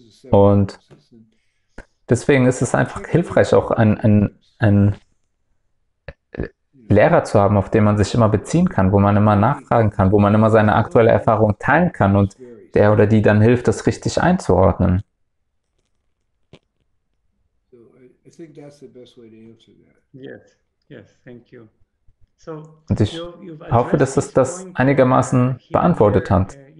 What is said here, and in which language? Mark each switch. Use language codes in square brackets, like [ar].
[de] Und deswegen ist es einfach hilfreich, auch einen Lehrer zu haben, auf den man sich immer beziehen kann, wo man immer nachfragen kann, wo man immer seine aktuelle Erfahrung teilen kann und der oder die dann hilft, das richtig einzuordnen. [en] I think that's the best way to answer that. Yes, thank you. [de] So, und ich hoffe, dass es das einigermaßen beantwortet hat.